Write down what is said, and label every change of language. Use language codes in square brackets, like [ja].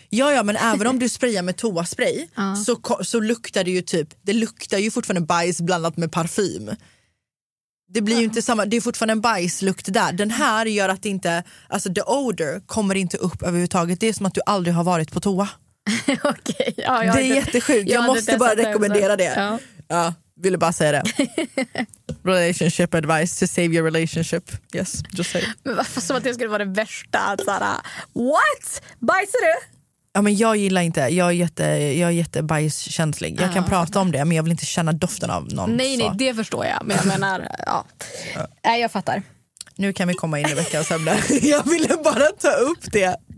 [sv] Ja, ja, men även om du sprayar med toaspray så luktar det ju typ, det luktar ju fortfarande bajs blandat med parfym. Det blir ju inte samma, det är fortfarande en bajslukt där. Den här gör att det inte, alltså [en] the odor [sv] kommer inte upp överhuvudtaget. Det är som att du aldrig har varit på toa. Okej, ja, det är jättesjukt. Jag måste bara rekommendera det. Ja. Ja, ville bara säga det. [en] Relationship advice to save your relationship. Yes, just say. [sv] Men varför, som att det skulle vara det värsta, Sara. [en] What? [sv] Bajsar du? Ja, men jag gillar inte. Jag är jätte bajskänslig. Jag kan prata om det, men jag vill inte känna doften av någon. Nej, det förstår jag, men jag menar ja. Nej, jag fattar. Nu kan vi komma in i veckans ämne. Jag ville bara ta upp det.